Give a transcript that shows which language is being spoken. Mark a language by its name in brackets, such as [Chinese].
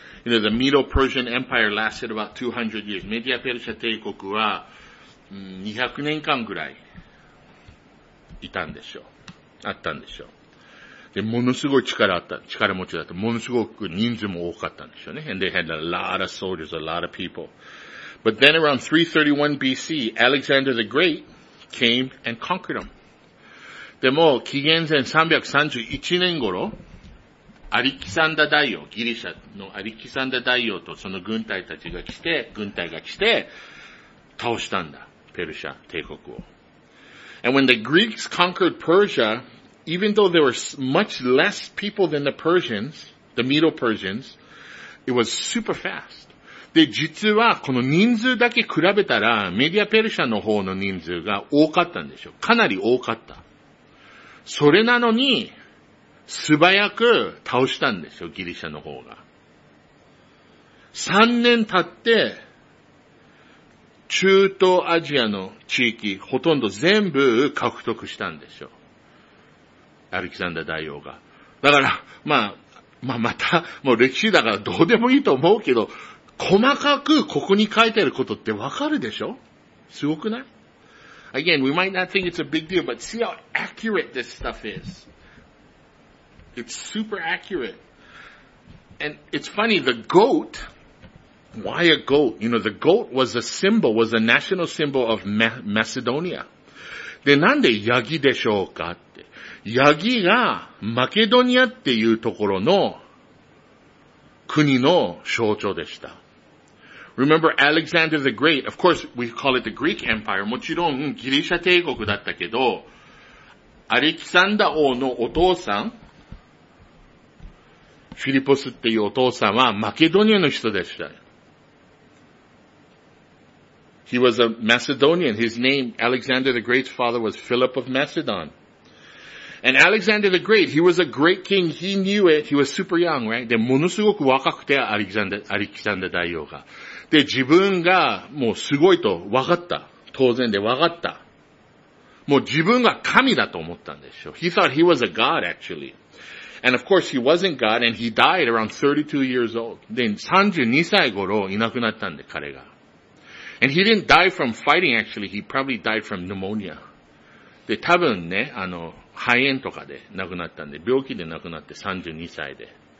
[English] You know, the Medo-Persian Empire lasted about 200 years. [Japanese] メディアペルシャ帝国は200年間ぐらいいたんでしょう。あったんでしょう。で、ものすごい力あった、力持ちだった。ものすごく人数も多かったんでしょうね。 [English] And they had a lot of soldiers, a lot of people. But then around 331 BC, Alexander the Great came and conquered them. [Japanese] でも、紀元前331年頃、アリキサンダ大王、ギリシャのアリキサンダ大王とその軍隊たちが来て、軍隊が来て、倒したんだ、ペルシャ帝国を。 [English] And when the Greeks conquered Persia, even though there were much less people than the Persians, the Medo-Persians, it was super fast. [Japanese] で、実はこの人数だけ比べたら、メディアペルシャの方の人数が多かったんでしょう。かなり多かった。それなのに、素早く倒したんですよ、ギリシャの方が。 3年経って、中東アジアの地域、ほとんど全部獲得したんですよ。アレキサンダー大王が。だから、また、もう歴史だからどうでもいいと思うけど、細かくここに書いてあることってわかるでしょ？すごくない？ [English] Again, we might not think it's a big deal, but see how accurate this stuff is. It's super accurate. And it's funny, the goat Why a goat? You know, the goat was a symbol, was a national symbol of Macedonia. [Japanese] で、なんでヤギでしょうかって。ヤギがマケドニアっていうところの国の象徴でした。 [English] Remember Alexander the Great. Of course, we call it the Greek Empire. [Japanese] もちろんギリシャ帝国だったけど、アレキサンダ王のお父さん、フィリポスっていうお父さんはマケドニアの人でした。 [English] He was a Macedonian. His name, Alexander the Great's father, was Philip of Macedon. And Alexander the Great, he was a great king. He knew it. He was super young, right? [Japanese] で、ものすごく若くて、アレキサンダ大王が。で、自分がもうすごいと分かった。当然で分かった。もう自分が神だと思ったんでしょ。 [English] He thought he was a god, actually. And of course, he wasn't god, and he died around 32 years old. [Japanese] で、32歳頃いなくなったんで、彼が。 [English] And he didn't die from fighting, actually. He probably died from pneumonia. [Japanese] で、多分ね、肺炎とかで亡くなったんで、病気で亡くなって32歳で。